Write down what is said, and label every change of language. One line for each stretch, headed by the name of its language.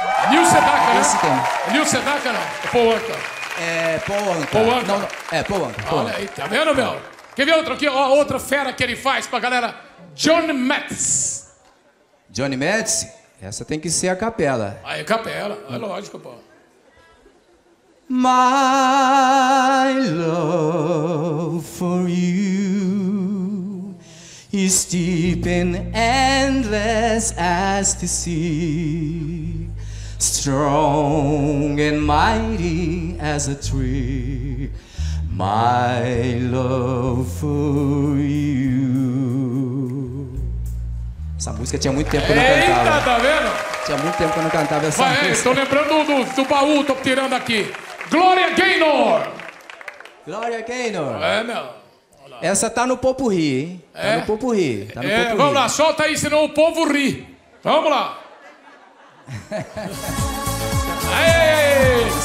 Portuguese: Neil Sedaka, né? Esse tema. Neil Sedaka, não. É Paul Anka. É Paul Anka. Paul Anka. Não, é Paul Anka. Olha aí, tá vendo, meu? Quer ver outro aqui? Ó, outra fera que ele faz pra galera. Johnny Mathis. Johnny Mathis? Essa tem que ser a capela. Aí, capela. É lógico, pô.
English: My love for you is deep and endless as the sea, strong and mighty as a tree, my love for you.
Portuguese: Essa música tinha muito tempo que eu não cantava. Eita, tá vendo? Tinha muito tempo que eu não cantava essa música. Estou lembrando do baú, tô tirando aqui. Gloria Gaynor! Gloria Gaynor! É, meu. Essa tá no popurri, hein? Tá no popurri. Tá no popurri. Vamos lá, solta aí, senão o povo ri. Vamos lá. Aê!